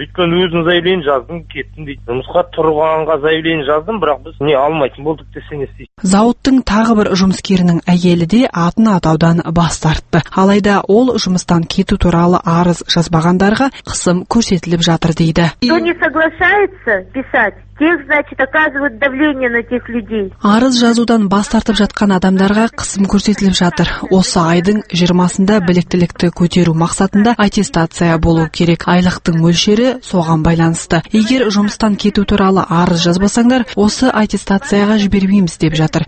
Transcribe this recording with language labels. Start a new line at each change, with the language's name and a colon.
Kazakh: Өйткені өзің заявлен жаздың, кеттің дейді. Жұмысқа тұрғанға заявлен жаздым, бірақ біз не алмайтын болдық десең есей. Зауыттың тағы бір жұмыскерінің әйелі де атын атаудан бас тартты. Алайда ол жұмыстан кету туралы арыз жазбағандарға қысым көрсетіліп жатыр дейді.
Russian: Кто не соглашается писать? Тех, значит, оказывают давление на тех людей.
Kazakh: Арыз жазудан бас тартып жатқан адамдарға қысым көрсетіліп жатыр. Осы айдың 20-сында біліктілікті көтеру мақсатында аттестация болу керек. Айлықтың мөлшері соған байланысты. Егер жұмыстан кету туралы арыз жазбасаңдар, осы аттестацияға жібермейміз деп жатыр.